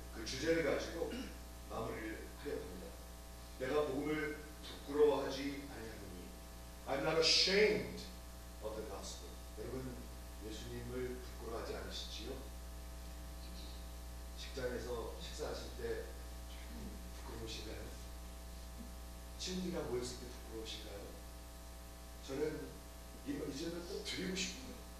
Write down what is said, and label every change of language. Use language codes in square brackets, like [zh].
[ko] 주제를 가지고 마무리를 하려합니다. 내가 복음을 부끄러워하지 아니하노니. [en] I'm not ashamed of the gospel. [ko] 여러분, 예수님을 부끄러워하지 않으시지요? 식당에서 식사하실 때 부끄러우신가요? 친구들이랑 모였을 때 부끄러우신가요? 저는 이제는 꼭 드리고 싶어요.